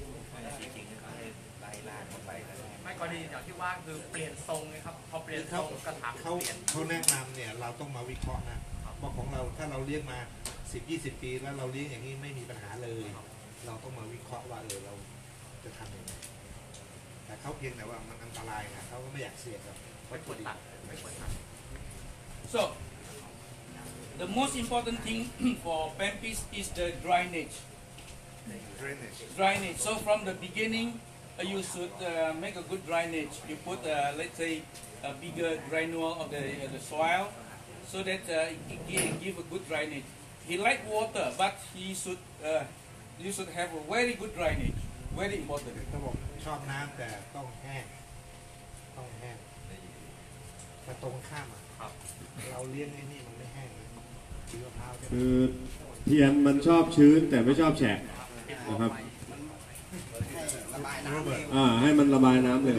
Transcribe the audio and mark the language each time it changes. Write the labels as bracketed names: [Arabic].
[Thai] ไม่ได้จริงๆก็ให้ไล่ลากเข้าไปไม่กรณีอย่างที่ว่าคือเปลี่ยนทรงไงครับพอเปลี่ยนทรงกระถาง เขาแนะนำเนี่ยเราต้องมาวิเคราะห์นะว่าของเราถ้าเราเลี้ยงมา10-20ปีแล้วเราเลี้ยงอย่างนี้ไม่มีปัญหาเลยเราต้องมาวิเคราะห์ว่าเออเราจะทำยังไงแต่เขาเพียงแต่ว่ามันอันตรายนะเขาก็ไม่อยากเสี่ยงครับ ไม่ควรตัดไม่ควรตัด [English] so the most important thing for Pemphis is the drainage drainage so from the beginning you should make a good drainage you put let's say a bigger granule of the soil so that it give a good drainage he like water but he should you should have a very good drainage very important [Thai] ชอบน้ำแต่ต้องแห้งแต่ตรงข้ามอ่ะ ครับเราเลี้ยงไอ้นี่มันไม่แห้งเลยเชื้อพาว คือเทียนมันชอบชื้นแต่ไม่ชอบแฉะนะครับให้มันระบายน้ำเร็ว